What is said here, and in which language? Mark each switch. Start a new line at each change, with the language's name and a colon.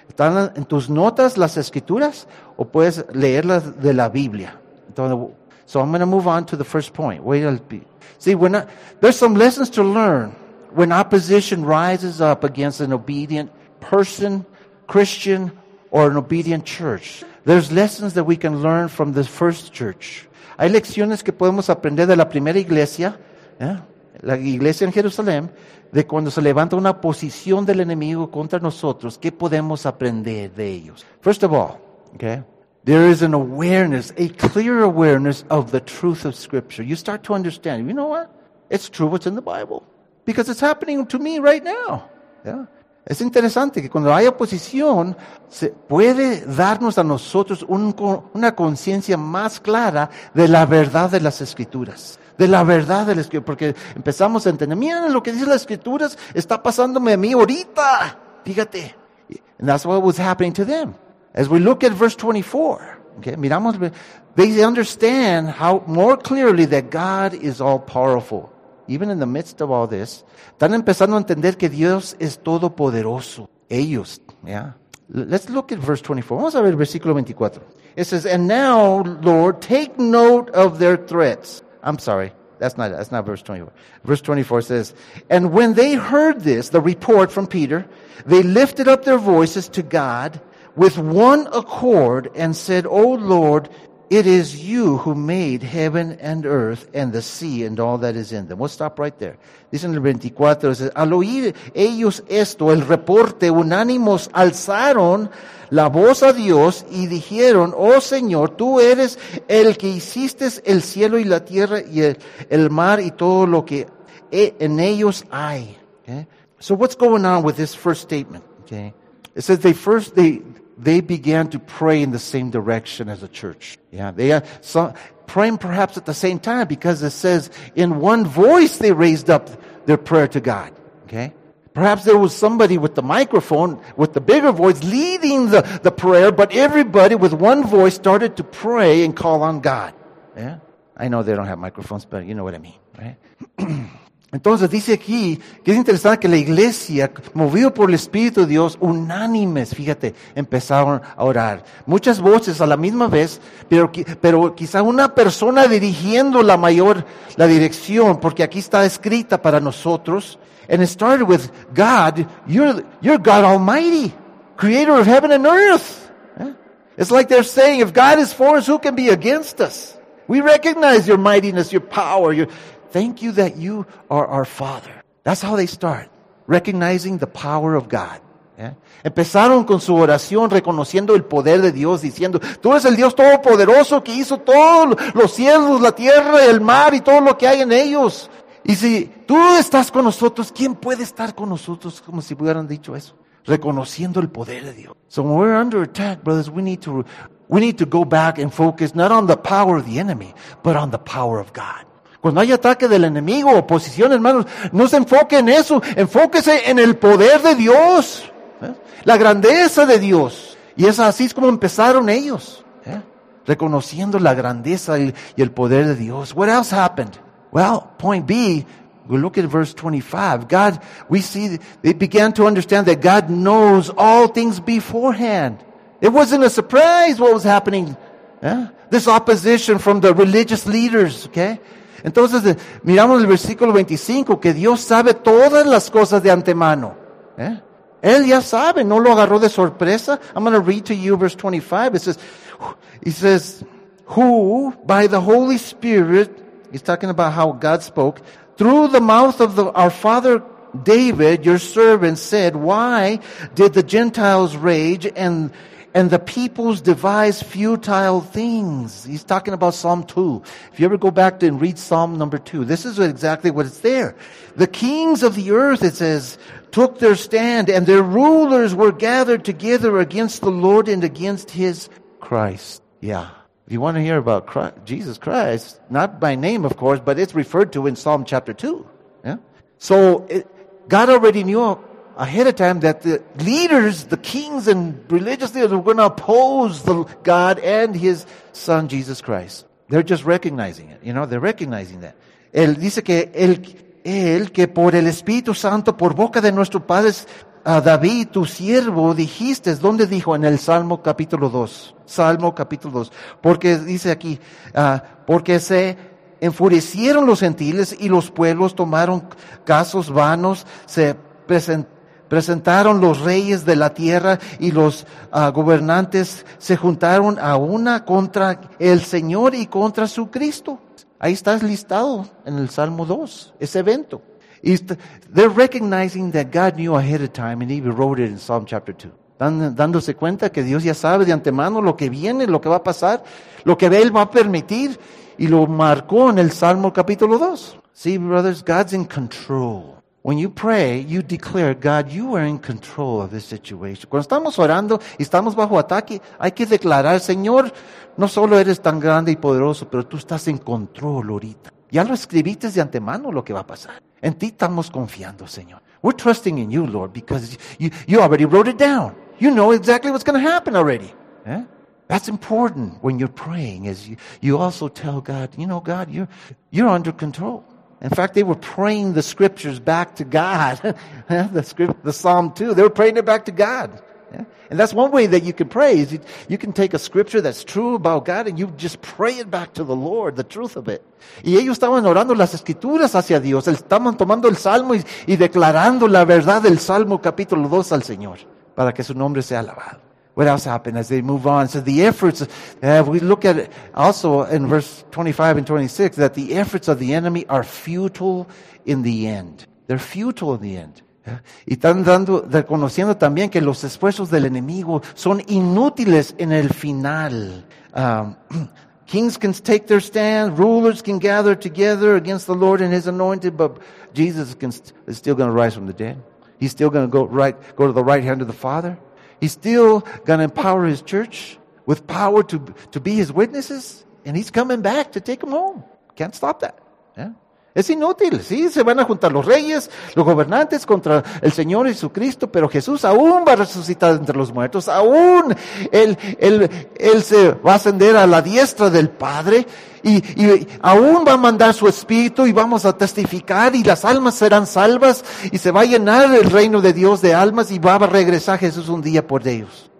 Spanish: ¿Están en tus notas las escrituras o puedes leerlas de la Biblia? Entonces,
English: so I'm going to move on to the first point.
Spanish: Voy a ir al...
English: See, when there's some lessons to learn when opposition rises up against an obedient person, Christian, or an obedient church. There's lessons that we can learn from the first church.
Spanish: Hay lecciones que podemos aprender de la primera iglesia, ¿eh? La iglesia en Jerusalén, de cuando se levanta una posición del enemigo contra nosotros, ¿qué podemos aprender de ellos?
English: First of all, okay, there is an awareness, a clear awareness of the truth of Scripture. You start to understand, you know what? It's true what's in the Bible. Because it's happening to me right now. Yeah.
Spanish: Es interesante que cuando hay oposición, se puede darnos a nosotros una conciencia más clara de la verdad de las Escrituras. De la verdad de las Escrituras. Porque empezamos a entender, miren lo que dice las Escrituras, está pasándome a mí ahorita. Fíjate.
English: And that's what was happening to them. As we look at verse 24. Okay,
Spanish: miramos,
English: they understand how more clearly that God is all powerful. Even in the midst of all this,
Spanish: están empezando a entender que Dios es todopoderoso. Ellos, yeah.
English: Let's look at verse 24.
Spanish: Vamos a ver el versículo 24.
English: It says, and now, Lord, take note of their threats. I'm sorry, that's not verse 24. Verse 24 says, and when they heard this, the report from Peter, they lifted up their voices to God with one accord and said, O Lord, it is you who made heaven and earth and the sea and all that is in them. We'll stop right there.
Spanish: Dicen el 24, dice, al oír ellos esto, el reporte, unánimos alzaron la voz a Dios y dijeron, oh Señor, tú eres el que hiciste el cielo y la tierra y el mar y todo lo que en ellos hay.
English: Okay? So what's going on with this first statement? Okay. It says they began to pray in the same direction as the church. Yeah, they are praying perhaps at the same time because it says in one voice they raised up their prayer to God. Okay, perhaps there was somebody with the microphone with the bigger voice leading the prayer, but everybody with one voice started to pray and call on God. Yeah, I know they don't have microphones, but you know what I mean, right?
Spanish: Entonces dice aquí que es interesante que la iglesia, movido por el Espíritu de Dios, unánimes, fíjate, empezaron a orar. Muchas voces a la misma vez, pero quizá una persona dirigiendo la dirección, porque aquí está escrita para nosotros.
English: And it started with God, you're God Almighty, creator of heaven and earth. It's like they're saying, if God is for us, who can be against us? We recognize your mightiness, your power, your... Thank you that you are our Father. That's how they start. Recognizing the power of God. Yeah?
Spanish: Empezaron con su oración, reconociendo el poder de Dios, diciendo, tú eres el Dios todopoderoso que hizo todos los cielos, la tierra, el mar y todo lo que hay en ellos. Y si tú estás con nosotros, ¿quién puede estar con nosotros? Como si hubieran dicho eso. Reconociendo el poder de Dios.
English: So when we're under attack, brothers, we need to go back and focus not on the power of the enemy, but on the power of God.
Spanish: Cuando hay ataque del enemigo, oposición, hermanos, no se enfoque en eso. Enfóquese en el poder de Dios. ¿Eh? La grandeza de Dios. Y es así es como empezaron ellos. ¿Eh? Reconociendo la grandeza y el poder de Dios.
English: What else happened? Well, point B, we look at verse 25. God, we see, they began to understand that God knows all things beforehand. It wasn't a surprise what was happening. ¿Eh? This opposition from the religious leaders, okay?
Spanish: Entonces, miramos el versículo 25, que Dios sabe todas las cosas de antemano. ¿Eh? Él ya sabe, no lo agarró de sorpresa.
English: I'm going to read to you verse 25. It says, who by the Holy Spirit, he's talking about how God spoke, through the mouth of our father David, your servant, said, why did the Gentiles rage and the peoples devise futile things. He's talking about Psalm 2. If you ever go back and read Psalm number 2, this is exactly what it's there. The kings of the earth, it says, took their stand, and their rulers were gathered together against the Lord and against His Christ. Yeah. If you want to hear about Christ, Jesus Christ, not by name, of course, but it's referred to in Psalm chapter 2. Yeah. So God already knew ahead of time that the leaders, the kings and religious leaders were going to oppose the God and His Son, Jesus Christ. They're just recognizing it. You know, they're recognizing that.
Spanish: Él dice que él que por el Espíritu Santo, por boca de nuestro Padre, a David, tu siervo, dijiste, ¿dónde dijo? En el Salmo capítulo 2. Salmo capítulo 2. Porque dice aquí, porque se enfurecieron los gentiles y los pueblos tomaron casos vanos, se presentaron los reyes de la tierra y los gobernantes se juntaron a una contra el Señor y contra su Cristo. Ahí está listado en el Salmo 2, ese evento.
English: They're recognizing that God knew ahead of time and even wrote it in Psalm chapter 2.
Spanish: Están dándose cuenta que Dios ya sabe de antemano lo que viene, lo que va a pasar, lo que Él va a permitir y lo marcó en el Salmo capítulo 2.
English: See, brothers, God's in control. When you pray, you declare, God, you are in control of this situation.
Spanish: Cuando estamos orando y estamos bajo ataque, hay que declarar, Señor, no solo eres tan grande y poderoso, pero tú estás en control ahorita. Ya lo escribiste de antemano lo que va a pasar. En ti estamos confiando, Señor.
English: We're trusting in you, Lord, because you already wrote it down. You know exactly what's going to happen already. ¿Eh? That's important when you're praying, is you also tell God, you know, God, you're under control. In fact, they were praying the scriptures back to God. the Psalm 2, they were praying it back to God. Yeah? And that's one way that you can pray. Is you can take a scripture that's true about God and you just pray it back to the Lord, the truth of it.
Spanish: Y ellos estaban orando las escrituras hacia Dios. Estaban tomando el Salmo y declarando la verdad del Salmo capítulo 2 al Señor para que su nombre sea alabado.
English: What else happened as they move on? So the efforts, we look at it also in verse 25 and 26, that the efforts of the enemy are futile in the end. They're futile in the end.
Spanish: Y están dando, reconociendo también que los esfuerzos del enemigo son inútiles en el final.
English: Kings can take their stand, rulers can gather together against the Lord and his anointed, but Jesus is still going to rise from the dead. He's still going to go to the right hand of the Father. He's still going to empower his church with power to be his witnesses. And he's coming back to take them home. Can't stop that. Yeah.
Spanish: Es inútil. Sí, se van a juntar los reyes, los gobernantes contra el Señor Jesucristo. Pero Jesús aún va a resucitar entre los muertos. Aún él se va a ascender a la diestra del Padre. Y aún va a mandar su Espíritu y vamos a testificar y las almas serán salvas y se va a llenar el reino de Dios de almas y va a regresar Jesús un día por ellos.